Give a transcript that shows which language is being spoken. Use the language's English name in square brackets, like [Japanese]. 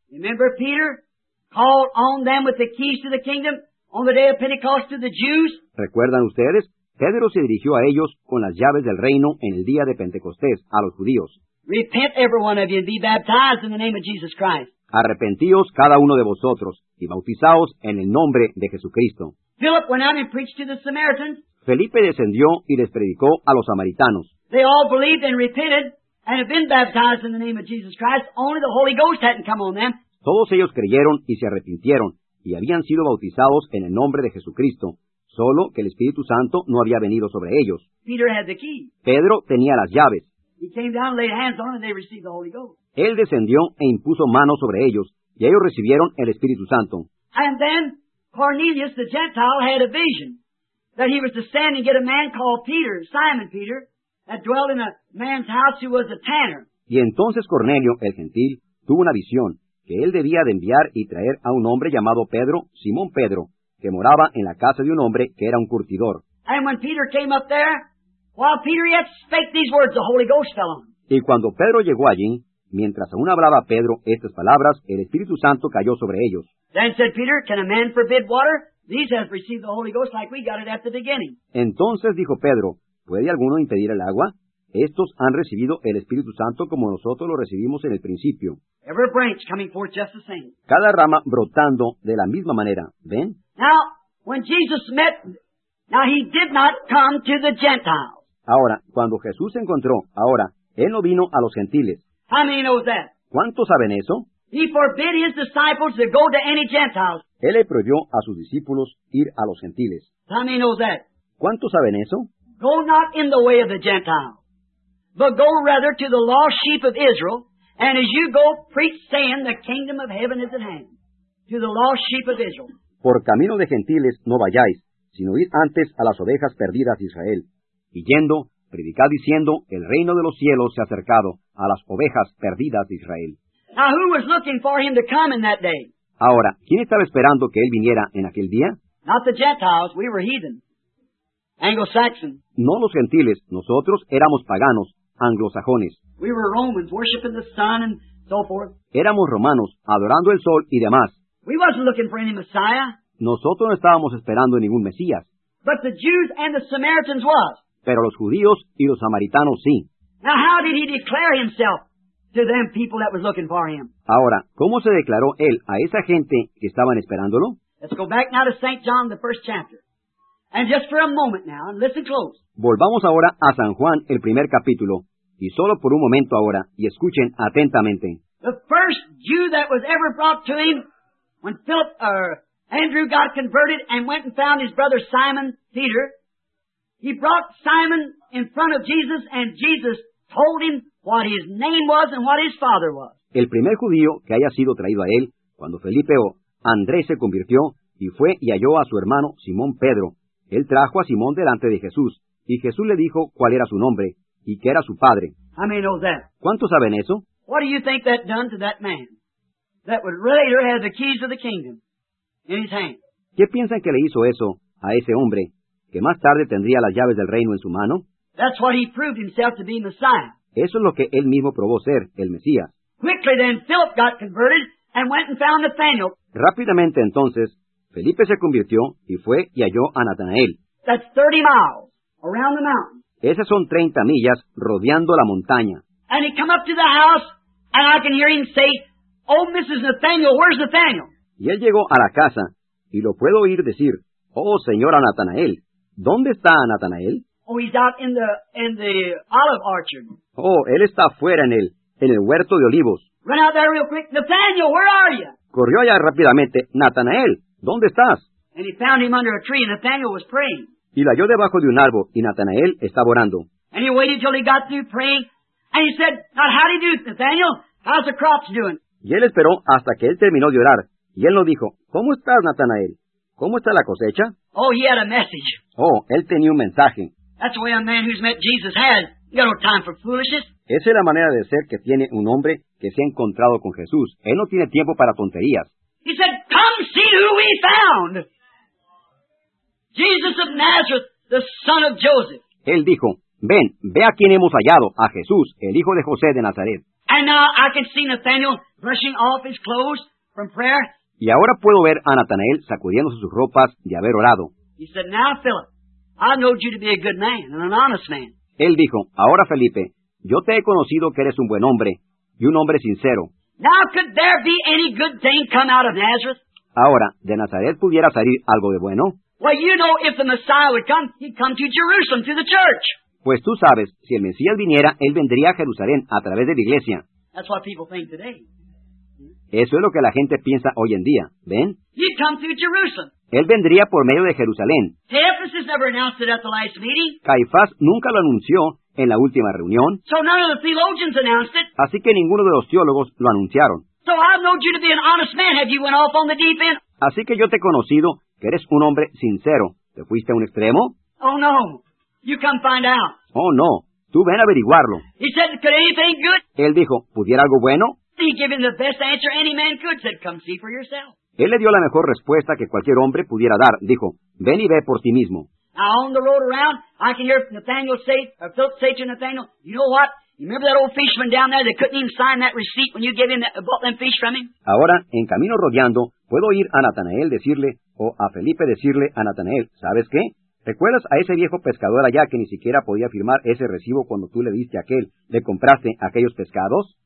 [English] Remember Peter called on them with the keys to the kingdom on the day of Pentecost to the Jews? [Spanish] ¿Recuerdan ustedes? Pedro se dirigió a ellos con las llaves del reino en el día de Pentecostés, a los judíos. [English] Repent, every one of you, and be baptized in the name of Jesus Christ. [Spanish] Arrepentíos cada uno de vosotros y bautizaos en el nombre de Jesucristo. [English] Philip went out and preached to the Samaritans. [Spanish] Felipe descendió y les predicó a los samaritanos. [English] They all believed and repented and have been baptized in the name of Jesus Christ. Only the Holy Ghost hadn't come on them. [Spanish] Todos ellos creyeron y se arrepintieron y habían sido bautizados en el nombre de Jesucristo, solo que el Espíritu Santo no había venido sobre ellos. [English] Peter had the key. [Spanish] Pedro tenía las llaves. [English] He came down, laid hands on, and they received the Holy Ghost. [Spanish] Él descendió e impuso manos sobre ellos y ellos recibieron el Espíritu Santo. [English] And then Cornelius the Gentile had a vision that he was to stand and get a man called Peter, Simon Peter, that dwelt in a man's house who was a tanner. [Spanish] Y entonces Cornelio el gentil tuvo una visión que él debía de enviar y traer a un hombre llamado Pedro, Simón Pedro, que moraba en la casa de un hombre que era un curtidor. [English] And when Peter came up there, while Peter yet spake these words, the Holy Ghost fell on him. [Spanish] Y cuando Pedro llegó allí, mientras aún hablaba Pedro estas palabras, el Espíritu Santo cayó sobre ellos. [English] Then said Peter, can a man forbid water? These have received the Holy Ghost like we got it at the beginning. [Spanish] Entonces dijo Pedro, ¿puede alguno impedir el agua? Estos han recibido el Espíritu Santo como nosotros lo recibimos en el principio. [English] Every branch coming forth just the same. [Spanish] Cada rama brotando de la misma manera. ¿Ven? [English] Now, when Jesus met, now he did not come to the Gentiles. [Spanish] Ahora, cuando Jesús se encontró, ahora, él no vino a los gentiles. [English] How many know that? [Spanish] ¿Cuántos saben eso? [English] He forbid his disciples to go to any Gentiles. [Spanish] Él le prohibió a sus discípulos ir a los gentiles. [English] How many know that? [Spanish] ¿Cuántos saben eso? [English] Go not in the way of the Gentiles, but go rather to the lost sheep of Israel, and as you go, preach saying, the kingdom of heaven is at hand, to the lost sheep of Israel. [Spanish] Por camino de gentiles no vayáis, sino id antes a las ovejas perdidas de Israel. Y yendo, predicad diciendo, el reino de los cielos se ha acercado a las ovejas perdidas de Israel. [English] Now, who was looking for him to come in that day? [Spanish] Ahora, ¿quién estaba esperando que él viniera en aquel día? [English] Not the Gentiles, we were heathen. Anglo-Saxon. [Spanish] No los gentiles, nosotros éramos paganos, anglosajones. [English] We were Romans, worshiping the sun and so forth. [Spanish] Éramos romanos, adorando el sol y demás. [English] We wasn't looking for any Messiah. [Spanish] Nosotros no estábamos esperando ningún Mesías. [English] But the Jews and the Samaritans was. [Spanish] Pero los judíos y los samaritanos sí. [English] Now how did he declare himself to them people that was looking for him? [Spanish] Ahora, ¿cómo se declaró él a esa gente que estaban esperándolo? [English] Let's go back now to St. John, the first chapter. And just for a moment now, and listen close. [Spanish] Volvamos ahora a San Juan, el primer capítulo. Y solo por un momento ahora, y escuchen atentamente. [English] The first Jew that was ever brought to him, when Philip or Andrew got converted and went and found his brother Simon Peter, he brought Simon in front of Jesus and Jesus told him what his name was and what his father was. [Spanish] El primer judío que haya sido traído a él cuando Felipe o Andrés se convirtió y fue y halló a su hermano Simón Pedro. Él trajo a Simón delante de Jesús y Jesús le dijo cuál era su nombre y que era su padre. [English] How many know that? [Spanish] ¿Cuántos saben eso? [English] What do you think that done to that man that would later have the keys of the kingdom in his hand? [Spanish] ¿Qué piensan que le hizo eso a ese hombre que más tarde tendría las llaves del reino en su mano? [English] That's what he proved himself to be Messiah. [Spanish] Eso es lo que él mismo probó ser, el Mesías. [English] Quickly then, Philip got converted and went and found Nathanael. [Spanish] Rápidamente entonces, Felipe se convirtió y fue y halló a Natanael. [English] That's 30 miles around the mountain. [Spanish] Esas son 30 millas rodeando la montaña. [English] And he come up to the house, and I can hear him say, "Oh, Mrs. Nathanael, where's Nathanael?" [Spanish] Y él llegó a la casa, y lo puedo oír decir, "Oh, señora Natanael, ¿dónde está Natanael?" [English] Oh, he's out in the olive orchard. [Spanish] Oh, él está afuera en el huerto de olivos. [English] Run out there real quick, Nathanael, where are you? [Spanish] Corrió allá rápidamente, Natanael, ¿dónde estás? [English] And he found him under a tree, and Nathanael was praying. [Spanish] Y la halló debajo de un árbol, y Natanael estaba orando. [English] And he waited till he got through praying, and he said, "Now, how do you do, Nathanael? How's the crops doing?" [Spanish] Y él esperó hasta que él terminó de orar, y él lo dijo, "¿Cómo estás, Natanael? ¿Cómo está la cosecha?" [English] Oh, he had a message. [Spanish] Oh, él tenía un mensaje. [English] That's the way a man who's met Jesus has. You got no time for foolishness. [Spanish] Esa es la manera de ser que tiene un hombre que se ha encontrado con Jesús. Él no tiene tiempo para tonterías. [English] He said, "Come see who we found. Jesus of Nazareth, the son of Joseph." [Spanish] Él dijo, "Ven, ve a quien hemos hallado, a Jesús, el hijo de José de Nazaret." [English] And now I can see Nathanael brushing off his clothes from prayer. [Spanish] Y ahora puedo ver a Natanael sacudiéndose sus ropas de haber orado. [English] He said, "Now, Philip, I know you to be a good man and an honest man." [Spanish] Él dijo, "Ahora, Felipe, yo te he conocido que eres un buen hombre y un hombre sincero." [English] Now, could there be any good thing come out of Nazareth? [Spanish] Ahora, ¿de Nazaret pudiera salir algo de bueno? [English] Well, you know, if the Messiah would come, he'd come to Jerusalem, to the church. [Spanish] Pues tú sabes, si el Mesías viniera, él vendría a Jerusalén a través de la iglesia. [English] That's what people think today. [Spanish] Eso es lo que la gente piensa hoy en día, ¿ven? [English] He'd come to Jerusalem. [Spanish] Él vendría por medio de Jerusalén. [English] Caiaphas never announced it at the last meeting. [Spanish] Caifás nunca lo anunció en la última reunión. [English] So none of the theologians announced it. [Spanish] Así que ninguno de los teólogos lo anunciaron. [English] So I know you to be an honest man. Have you went off on the deep end? [Spanish] Así que yo te he conocido que eres un hombre sincero. ¿Te fuiste a un extremo? [English] Oh no, you come find out. [Spanish] Oh no, tú ven a averiguarlo. [English] He said, "Could anything good?" [Spanish] Él dijo, ¿pudiera algo bueno? [English] He gave him the best answer any man could. Said, "Come see for yourself." [Spanish] Él le dio la mejor respuesta que cualquier hombre pudiera dar. Dijo, "Ven y ve por ti mismo." [English] Now on the road around, I can hear Nathanael say, or Philip say to Nathanael, "You know what? You remember that old fisherman down there that couldn't even sign that receipt when you gave him that, bought them fish from him?" [Spanish] Ahora, en camino rodeando, puedo oír a Natanael decirle, o a Felipe decirle a Natanael, "¿Sabes qué? ¿Recuerdas a ese viejo pescador allá que ni siquiera podía firmar ese recibo cuando tú le diste aquel, le compraste aquellos pescados?"